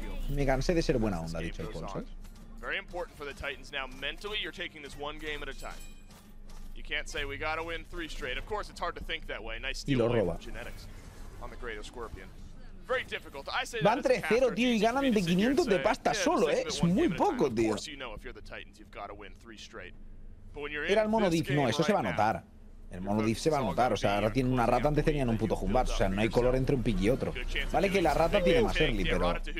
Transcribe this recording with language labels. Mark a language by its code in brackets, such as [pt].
[es] Me cansé de ser buena onda, dicho el Paul, ¿sabes? [en] Very important for the Titans now. Mentally, you're taking this one game at a time. You can't say we gotta win three straight. Of course, it's hard to think that way. Nice steal from genetics on the Great Scorpion. Very difficult. I say [es] van 3-0, tío, y ganan de 500 de pasta solo, ¿eh? Es muy poco, tío. [en] Of course, you know if you're the Titans, you've gotta win three straight. [es] Era el Monodif, no, eso se va a notar. El Monodif se va a notar, o sea, ahora tienen una rata, antes tenían un puto Jumbats, o sea, no hay color entre un pick y otro. Vale que la rata tiene más early, pero...